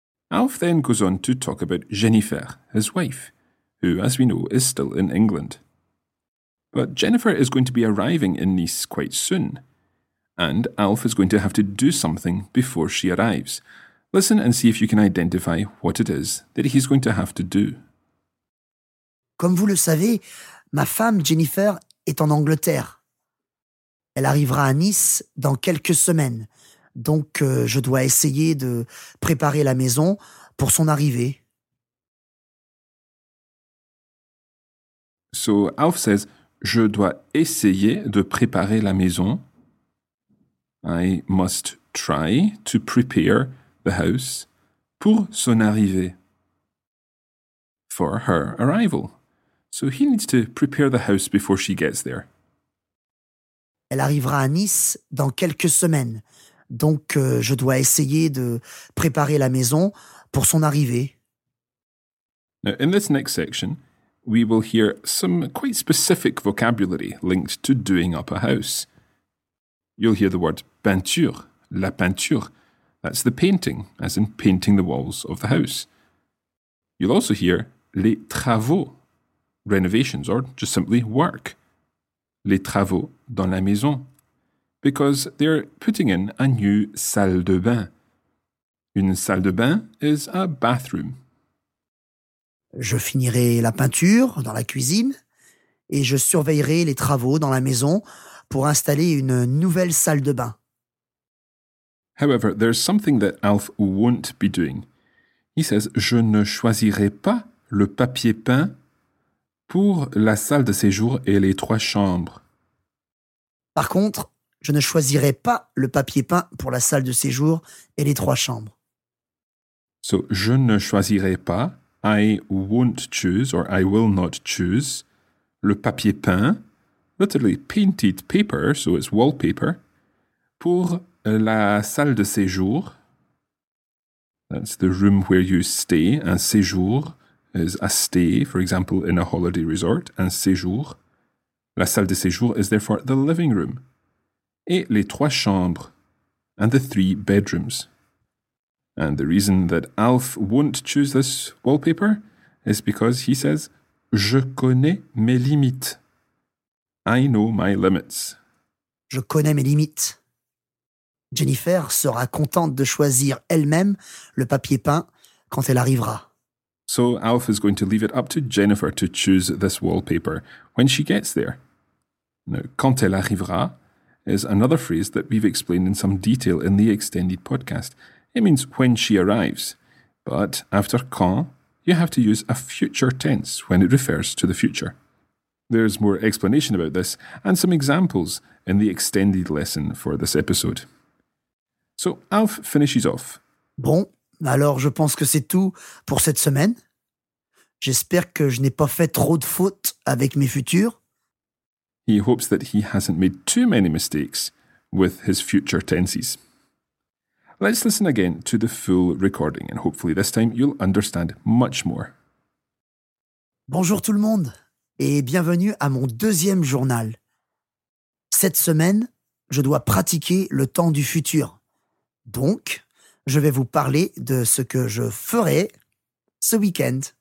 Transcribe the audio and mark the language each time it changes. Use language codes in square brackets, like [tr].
[en] Alf then goes on to talk about Jennifer, his wife, who, as we know, is still in England. But Jennifer is going to be arriving in Nice quite soon, and Alf is going to have to do something before she arrives. Listen and see if you can identify what it is that he's going to have to do. [fr] Comme vous le savez, ma femme Jennifer est en Angleterre. Elle arrivera à Nice dans quelques semaines, donc je dois essayer de préparer la maison pour son arrivée. [en] So Alf says, [fr] je dois essayer de préparer la maison. [en] I must try to prepare the house [fr] pour son arrivée. [en] For her arrival. So he needs to prepare the house before she gets there. [fr] Elle arrivera à Nice dans quelques semaines, donc je dois essayer de préparer la maison pour son arrivée. [en] Now, in this next section, we will hear some quite specific vocabulary linked to doing up a house. You'll hear the word peinture, la peinture. That's the painting, as in painting the walls of the house. You'll also hear les travaux, renovations, or just simply work. [fr] Les travaux dans la maison, [en] because they're putting in a new [fr] salle de bain. [en] Une salle de bain is a bathroom. [fr] Je finirai la peinture dans la cuisine et je surveillerai les travaux dans la maison pour installer une nouvelle salle de bain. [en] However, there's something that Alf won't be doing. He says, [fr] je ne choisirai pas le papier peint pour la salle de séjour et les trois chambres. Par contre, je ne choisirai pas le papier peint pour la salle de séjour et les trois chambres. [en] So, [fr] je ne choisirai pas, [en] I won't choose or I will not choose, le papier peint, literally painted paper, so it's wallpaper, [fr] pour la salle de séjour. [en] That's the room where you stay. Un séjour is a stay, for example, in a holiday resort. Un séjour. [fr] La salle de séjour [en] is therefore the living room. [fr] Et les trois chambres. [en] And the three bedrooms. And the reason that Alf won't choose this wallpaper is because he says, [fr] je connais mes limites. [en] I know my limits. [fr] Je connais mes limites. Jennifer sera contente de choisir elle-même le papier peint quand elle arrivera. [en] So Alf is going to leave it up to Jennifer to choose this wallpaper when she gets there. Now, [fr] quand elle arrivera [en] is another phrase that we've explained in some detail in the extended podcast. It means when she arrives. But after quand, you have to use a future tense when it refers to the future. There's more explanation about this and some examples in the extended lesson for this episode. So, Alf finishes off. [fr] Bon, alors je pense que c'est tout pour cette semaine. J'espère que je n'ai pas fait trop de fautes avec mes futurs. [en] He hopes that he hasn't made too many mistakes with his future tenses. Let's listen again to the full recording and hopefully this time you'll understand much more. [fr] Bonjour tout le monde et bienvenue à mon deuxième journal. Cette semaine, je dois pratiquer le temps du futur. Donc, je vais vous parler de ce que je ferai ce week-end.